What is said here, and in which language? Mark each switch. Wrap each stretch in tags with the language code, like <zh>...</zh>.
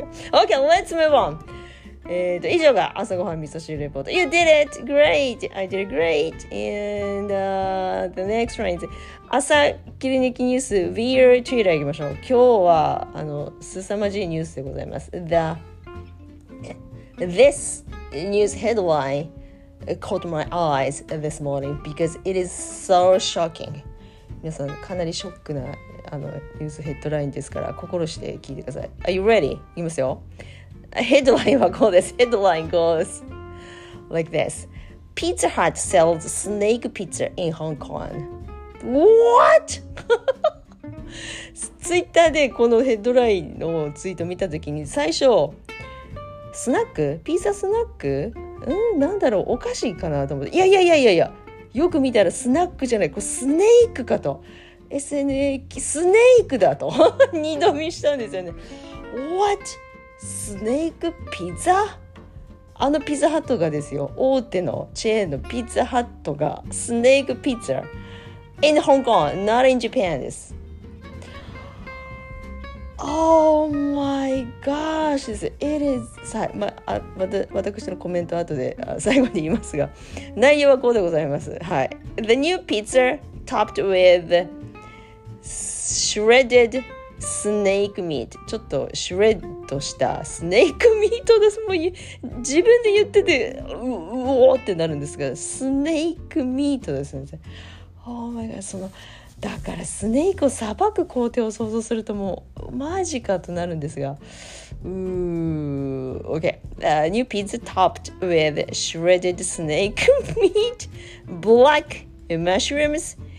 <en>Okay, let's move on.</en> <ja>以上が朝ごはん味噌汁レポート。</ja> <en>You did it! Great! I did it great! And the next one is</en> <ja>朝切り抜きニュース</ja> <en>Via Twitter</en> <ja>いきましょう。今日は凄まじいニュースでございます。</ja> <en>This news headline caught my eyes this morning because it is so shocking.</en> <ja>皆さん、かなりショックなニュースヘッドラインですから、心して聞いてください。</ja> <en>Are you ready?</en> <ja>言いますよ。ヘッドラインはこうです。</ja> <en>ヘッドライン goes like this. Pizza Hut sells snake pizza in Hong Kong. What?</en> <ja>Twitter でこのヘッドラインのツイート見たときに、最初、スナック？ピザスナック？うん、なんだろう、お菓子かなと思って。いや。よく見たらスナックじゃない、これスネークかと、 SNAKE スネークだと二度見したんですよね。</ja> <en>What?</en> <ja>スネークピザ、あのピザハットがですよ、大手のチェーンのピザハットがスネークピザ</ja> <en>in Hong Kong not in Japan</en> <ja>です。</ja> <en>Oh my gosh! It is...</en> <ja>さ、ま、あ、また、私のコメント後で最後に言いますが、内容はこうでございます。はい。</ja> <en>The new pizza topped with shredded snake meat.</en> <ja>ちょっとシュレッドしたスネークミートです。もう自分で言ってて、うおーってなるんですが、スネークミートですね。</ja> <en>Oh my god!</en> <ja>その、だからスネークをさばく工程を想像するともうマジかとなるんですが、</ja> <en>Okay, new pizza topped with shredded snake meat, black mushrooms.</en>